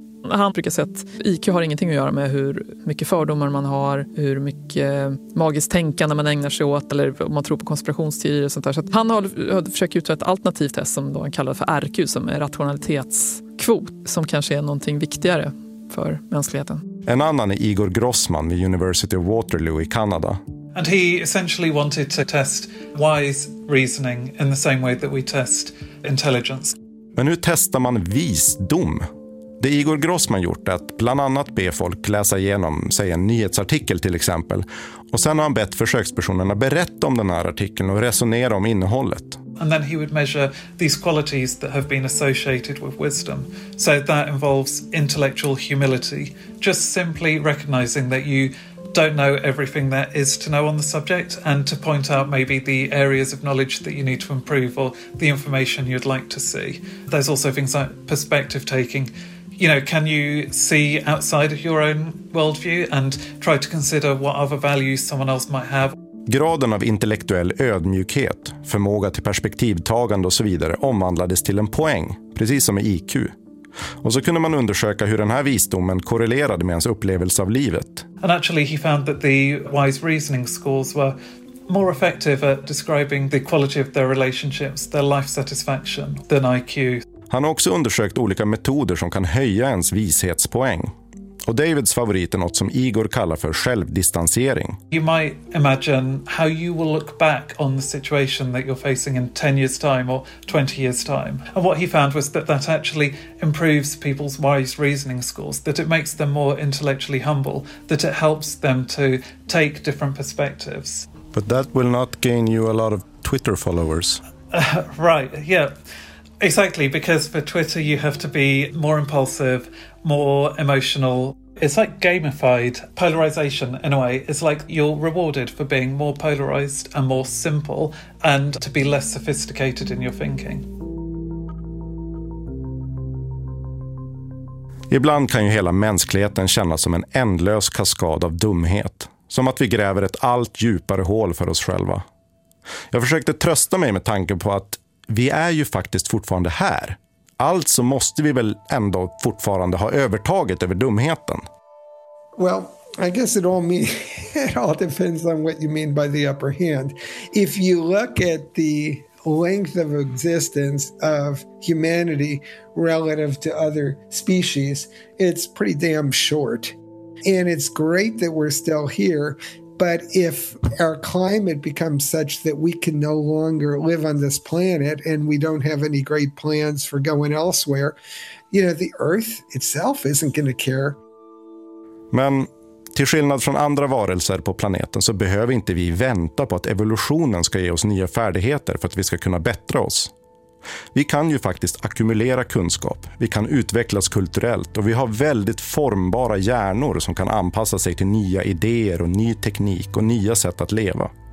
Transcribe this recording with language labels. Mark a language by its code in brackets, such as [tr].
[sv] Han brukar säga att IQ har ingenting att göra med hur mycket fördomar man har, hur mycket magiskt tänkande man ägnar sig åt eller om man tror på konspirationsteorier och sånt där. Så att han har försökt utveckla ett alternativt test som han kallar för RQ, som är rationalitetskvot, som kanske är någonting viktigare för mänskligheten. En annan är Igor Grossman vid University of Waterloo i Kanada. [en] And he essentially wanted to test wise reasoning in the same way that we test intelligence. [sv] Men hur testar man visdom? Det Igor Grossman gjort är att bland annat be folk läsa igenom, säg en nyhetsartikel till exempel. Och sen har han bett försökspersonerna berätta om den här artikeln och resonera om innehållet. [en] And then he would measure these qualities that have been associated with wisdom. So that involves intellectual humility. Just simply recognizing that you don't know everything there is to know on the subject and to point out maybe the areas of knowledge that you need to improve or the information you'd like to see. There's also things like perspective taking. You know, can you see outside of your own worldview and try to consider what other values someone else might have? [sv] Graden av intellektuell ödmjukhet, förmåga till perspektivtagande och så vidare omvandlades till en poäng, precis som i IQ. Och så kunde man undersöka hur den här visdomen korrelerade med ens upplevelse av livet. [en] And actually he found that the wise reasoning scores were more effective at describing the quality of their relationships, their life satisfaction than IQ. [sv] Han har också undersökt olika metoder som kan höja ens vishetspoäng. Och Davids favorit är något som Igor kallar för självdistansering. [en] You might imagine how you will look back on the situation that you're facing in 10 years time or 20 years time. And what he found was that that actually improves people's wise reasoning scores, that it makes them more intellectually humble, that it helps them to take different perspectives. But that will not gain you a lot of Twitter followers. Right, yeah. Exactly, because for Twitter you have to be more impulsive, more emotional. It's like gamified polarization in a way. It's like you're rewarded for being more polarized and more simple and to be less sophisticated in your thinking. [sv] Ibland kan ju hela mänskligheten kännas som en ändlös kaskad av dumhet. Som att vi gräver ett allt djupare hål för oss själva. Jag försökte trösta mig med tanken på att vi är ju faktiskt fortfarande här. Alltså måste vi väl ändå fortfarande ha övertaget över dumheten. [en] Well, I guess it all depends on what you mean by the upper hand. If you look at the length of existence of humanity relative to other species, it's pretty damn short. And it's great that we're still here. But if our climate becomes such that we can no longer live on this planet and we don't have any great plans for going elsewhere, you know, the Earth itself isn't going to care. [sv] Men till skillnad från andra varelser på planeten så behöver inte vi vänta på att evolutionen ska ge oss nya färdigheter för att vi ska kunna bättra oss. Vi kan ju faktiskt ackumulera kunskap, vi kan utvecklas kulturellt och vi har väldigt formbara hjärnor som kan anpassa sig till nya idéer och ny teknik och nya sätt att leva.